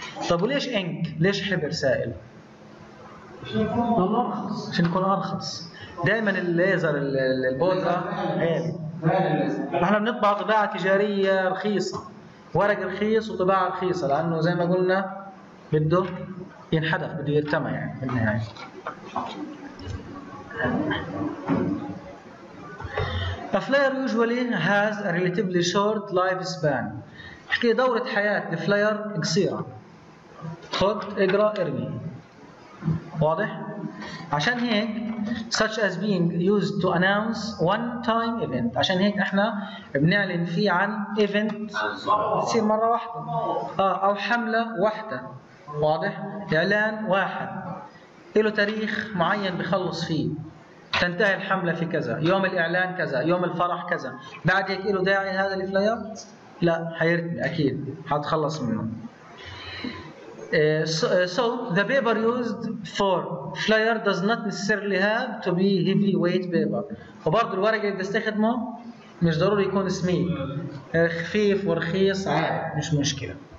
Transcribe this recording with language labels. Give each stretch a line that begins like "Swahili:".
Arabic: طب وليش إنك؟ ليش حبر سائل؟ عشان يكون أرخص. دائما الليزر البودرة عالي، نحن بنطبع طباعة تجارية رخيصة، ورق رخيص وطباعة رخيصة، لأنه زي ما قلنا بده ينحدف، بده يرتمى يعني بالنهاية.
English: A flyer usually has a relatively short life span.
Arabic: حكي دورة حياة الفلاير قصيرة. خط اقرا ارمي. واضح؟ عشان هيك
English: such as being used to announce one time event.
Arabic: عشان هيك احنا بنعلن فيه عن event تصير مرة واحدة. او حملة واحدة. واضح؟ اعلان واحد. له تاريخ معين بخلص فيه. تنتهي الحملة في كذا، يوم الإعلان كذا، يوم الفرح كذا، بعد هيك له داعي هذا الفلاير؟ لا، حيرتمي أكيد، حتخلص منه.
English: So the paper used for flyer does not necessarily have to be heavy weight paper.
Arabic: وبرضه الورق اللي بتستخدمه مش ضروري يكون سميك، خفيف ورخيص عادي مش مشكلة.